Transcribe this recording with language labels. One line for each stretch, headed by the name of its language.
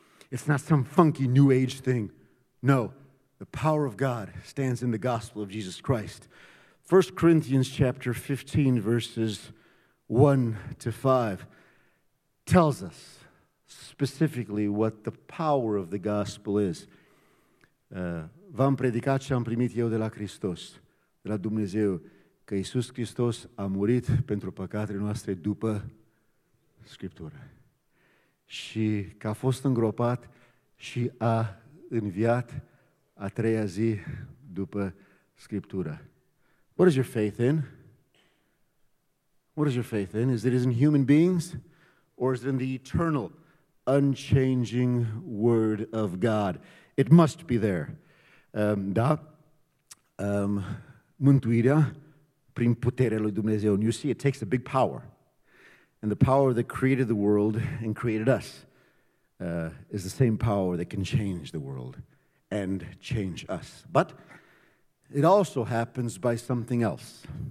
English: It's not some funky new age thing. No, the power of God stands in the gospel of Jesus Christ. 1 Corinthians chapter 15, verses 1 to 5 tells us specifically what the power of the gospel is.
Romanian: V-am predicat și am primit eu de la Hristos, de la Dumnezeu, că Iisus Hristos a murit pentru păcatele noastre după Scriptură. Și că a fost îngropat și a înviat a treia zi după Scriptură.
English: What is your faith in? What is your faith in? Is it in human beings? Or is it in the eternal, unchanging Word of God? It must be there.
Romanian: Mântuirea prin puterea lui Dumnezeu.
English: And you see, it takes a big power. And the power that created the world and created us is the same power that can change the world and change us. But it also happens by something else.